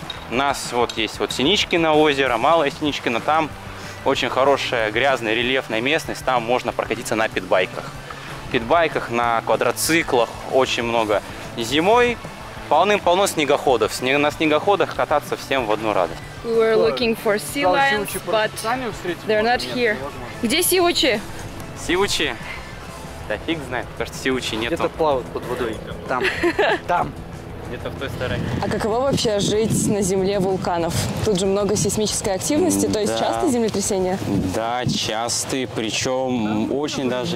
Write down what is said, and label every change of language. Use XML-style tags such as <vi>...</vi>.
<ru>У нас вот есть вот Синичкино озеро, Малое Синичкино, там очень хорошая грязная рельефная местность, там можно прокатиться на питбайках. Питбайках, на квадроциклах очень много. Зимой полным-полно снегоходов. На снегоходах кататься всем в одну радость.</ru> <en>We were looking for sea lions, but they're not here.</en> <ru>Где сивучи? Сивучи? Да фиг знает, потому что сивучи нету. Где-то плавают под водой. Там. Там. Где-то в той стороне. А каково вообще жить на земле вулканов? Тут же много сейсмической активности, то есть часто землетрясения? Да, часто, причем очень даже</ru>